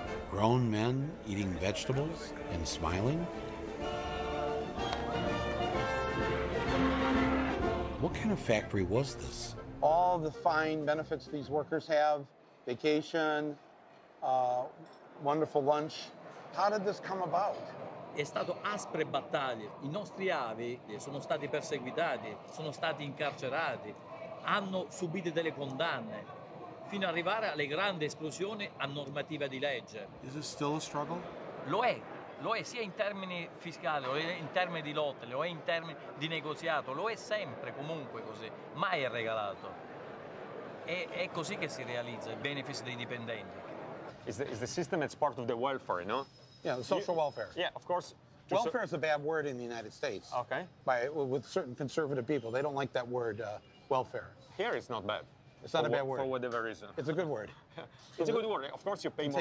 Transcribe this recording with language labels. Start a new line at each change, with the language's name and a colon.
English: Grown men eating vegetables and smiling? What kind of factory was this? All the fine benefits these workers have, vacation, wonderful lunch. How did this come about?
Italian: È stato aspre battaglie. I nostri avi sono stati perseguitati, sono stati incarcerati, hanno subito delle condanne, fino ad arrivare alle grandi esplosioni a normativa di legge.
English: Is it still a struggle?
Italian: Lo è sia in termini fiscali, lo è in termini di lotte, lo è in termini di negoziato, lo è sempre comunque così, mai è regalato. E è così che si realizza il benefit dei dipendenti.
English: Is the system that's part of the welfare, no? Yeah, the social welfare. Yeah, of course. Welfare is a bad word in the United States. Okay. With certain conservative people, they don't like that word, welfare. Here it's not bad. It's not a bad word. For whatever reason. It's a good word. It's a good word. Of course, you pay more.